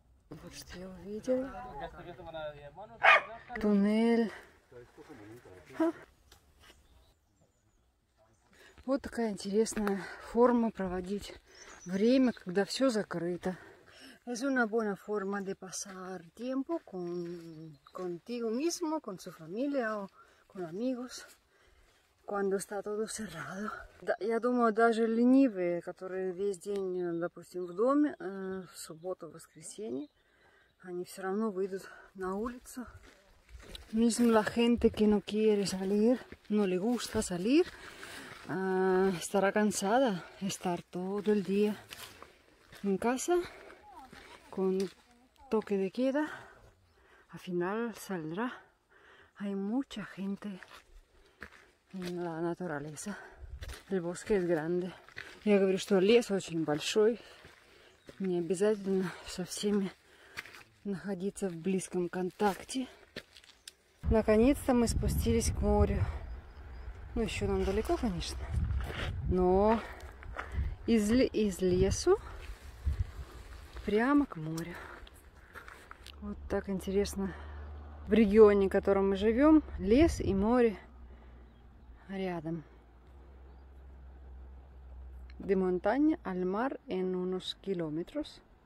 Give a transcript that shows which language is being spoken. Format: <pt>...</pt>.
<ru>Вот что я увидел. Туннель. Вот такая интересная форма проводить. Время, когда все закрыто.</ru> <es>Es una buena forma de pasar tiempo contigo mismo, con su familia o con amigos, cuando está todo cerrado.</es> <ru>Да, я думаю, даже ленивые, которые весь день, допустим, в доме, в субботу, в воскресенье, они все равно выйдут на улицу.</ru> <es>Mismo la gente que no quiere salir, no le gusta salir. Estará cansada estar todo el día en casa con toque de queda. Al final saldrá. Hay mucha gente en la naturaleza. El bosque es grande.</es> <ru>Я говорю, что лес очень большой. Не обязательно со всеми находиться в близком контакте. Наконец-то мы спустились к морю. Ну, еще нам далеко, конечно. Но из лесу прямо к морю. Вот так интересно. В регионе, в котором мы живем, лес и море рядом.</ru> <es>De montaña al mar en unos kilómetros.</es>